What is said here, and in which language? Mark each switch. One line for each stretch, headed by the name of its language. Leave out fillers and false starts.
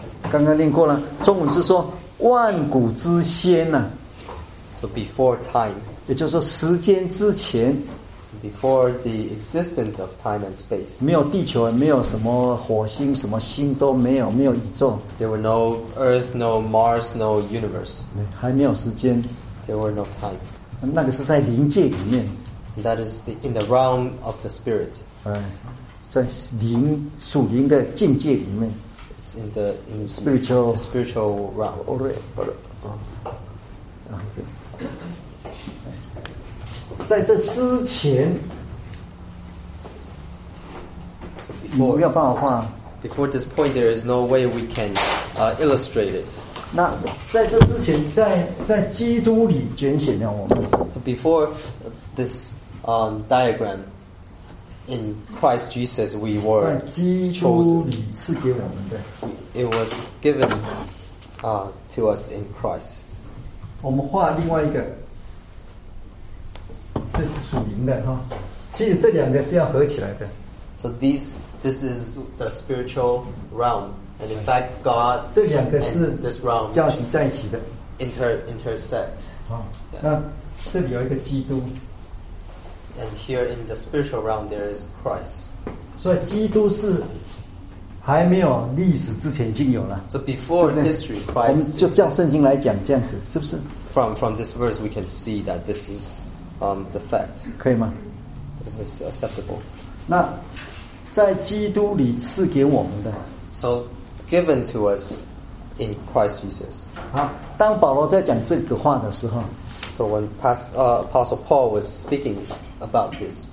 Chinese: 刚刚念过了，中文是说万古之先呢、啊。
English: So before time.
Chinese: 也就是说时间之前
English: so before the existence of time and space
Chinese: 没有地球没有什么火星什么星都没有没有宇宙
English: there were no earth, no Mars, no universe
Chinese: 还没有时间
English: there were no time
Chinese: 那个是在灵界里面
English: that is in the realm of the spirit
Chinese: 在灵属灵的境界里面
English: it's in spiritual, the spiritual realm alright but, okay
Chinese: 在这之前，我们没有办法画。
English: Before this point, there is no way we can illustrate it.
Chinese: 那在这之前，在基督里拣选了我们。
English: Before this diagram, in Christ Jesus, we were
Chinese: 在基督里赐给我们的。
English: It was given to us in Christ.
Chinese: 我们画另外一个。这是属灵的哈，其实这两个是要合起来的。
English: So this is the spiritual realm, and in fact, God
Chinese: 这两个是交集在一起的
English: intersect.、
Chinese: 那这里有一个基督
English: ，and here in the spiritual realm there is Christ.
Chinese: 所以基督是还没有历史之前就有了。
English: So before history, Christ
Chinese: 我们就照圣经来讲，这样子是不是
English: ？From this verse, we can see that this is. The fact.
Chinese: 可以吗?
English: This is acceptable.
Chinese: 那在基督里赐给我们的。
English: So given to us in Christ Jesus.
Chinese: 好，当保罗在讲这个话的时候。
English: So when Apostle Paul was speaking about this.